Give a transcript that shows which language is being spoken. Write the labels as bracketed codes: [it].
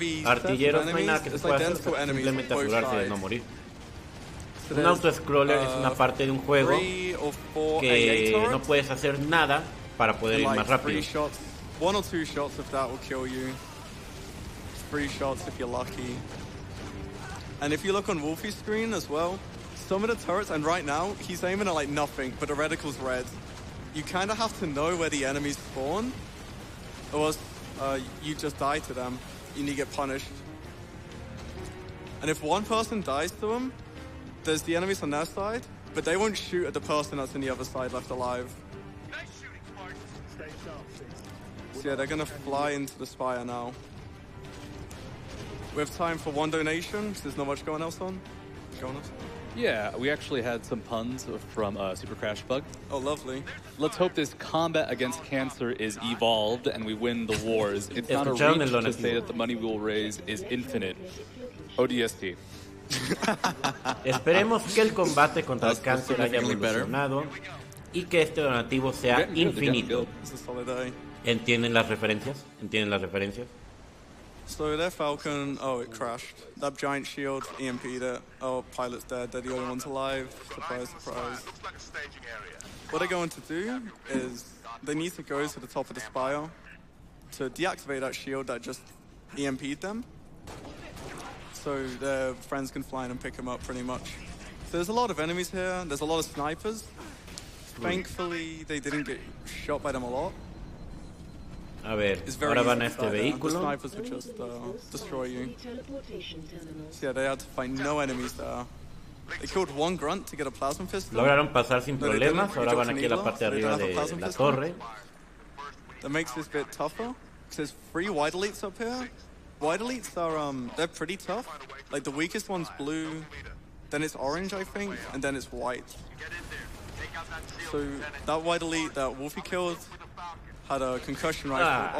[es] artilleros, no hay nada que se pueda hacer, [en] so [es] simplemente asegurarse [en] sides [es] de no morir. So un auto-scroller es una parte de un juego que no puedes hacer nada para poder [en] like [es] ir más rápido. [en] Shots, one or two shots if that will kill you. Three shots if you're lucky. And if you look on Wolfie's screen as well, some of the turrets, and right now, he's aiming at like nothing, but the reticle's red. You kind of have to know where the enemies spawn, or else you just die to them, and you get punished. And if one person dies to them, there's the enemies on their side, but they won't shoot at the person that's on the other side left alive. Nice shooting, Spartan. Stay sharp, please. So yeah, they're gonna fly into the spire now. We have time for one donation, because there's not much going else on. Going on. Yeah, we actually had some puns from Super Crash Bug. Oh, lovely. Let's hope this combat against cancer is evolved and we win the wars. It's not a reach to say that the money we will raise is infinite. ODST. [es] Esperemos que el combate contra el cáncer haya evolucionado y que este donativo sea infinito. ¿Entienden las referencias? ¿Entienden las referencias? [en] So their Falcon, oh, it crashed. That giant shield, EMP'd it. Oh, pilot's dead. They're the only ones alive. Surprise, surprise. What they're going to do is they need to go to the top of the spire to deactivate that shield that just EMP'd them. So their friends can fly in and pick them up, pretty much. So there's a lot of enemies here. There's a lot of snipers. Thankfully, they didn't get shot by them a lot. [es] A ver, ahora van a este vehículo. [en] The snipers would just destroy you. So yeah, they had to find no enemies there. They killed one grunt to get a plasma pistol. [es] Lograron pasar sin problemas. Ahora van aquí a la parte de arriba de la torre. [en] That makes this bit tougher. Because there's three white elites up here. White elites are, they're pretty tough. Like, the weakest one's blue. then it's orange, I think, and then it's white. So that white elite that Wolfie killed had a concussion rifle.